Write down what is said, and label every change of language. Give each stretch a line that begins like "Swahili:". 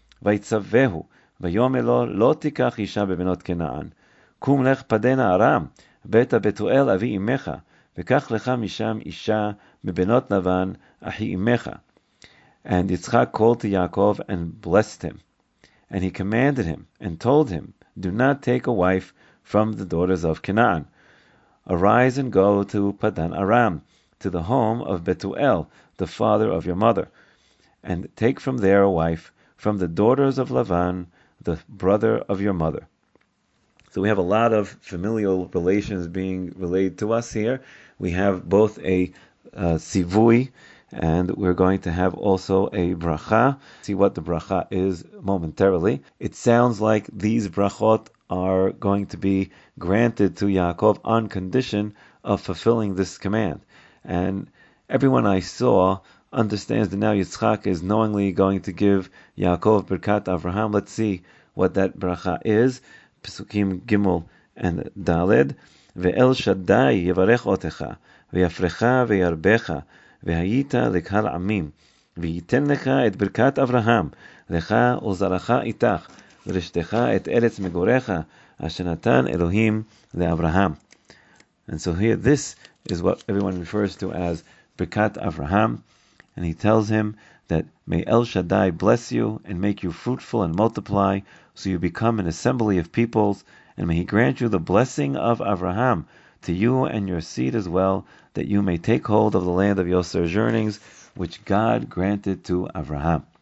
Hebrew: ויצווהו, ויאמר לו, לא תיקח אישה בבנות כנען. קום לך פדנה ארם, בית הבתואל אבי אמך, וקח לך משם אישה מבנות לבן, אחי אמך.
English: And Yitzchak called to Yaakov and blessed him. And he commanded him and told him, do not take a wife from the daughters of Canaan. Arise and go to Padan Aram, to the home of Betuel, the father of your mother, and take from there a wife from the daughters of Lavan, the brother of your mother. So we have a lot of familial relations being relayed to us here. We have both a sivui, and we're going to have also a bracha. See what the bracha is momentarily. It sounds like these brachot are going to be granted to Yaakov on condition of fulfilling this command. And everyone I saw understands that now Yitzchak is knowingly going to give Yaakov Birkat Avraham. Let's see what that bracha is. Pesukim Gimel and Daled.
Hebrew: Ve'el Shaddai yivarech otecha, ve'yafrecha ve'yarbecha, והיית לקהל עמים, וייתן לך את ברכת אברהם, לך וזרעך איתך, ורשתך את ארץ מגוריך, אשר נתן אלוהים לאברהם.
English: And so here, this is what everyone refers to as ברכת אברהם, and he tells him that may El Shaddai bless you, and make you fruitful and multiply, so you become an assembly of peoples, and may he grant you the blessing of Abraham, to you and your seed as well, that you may take hold of the land of your sojournings, which God granted to Abraham.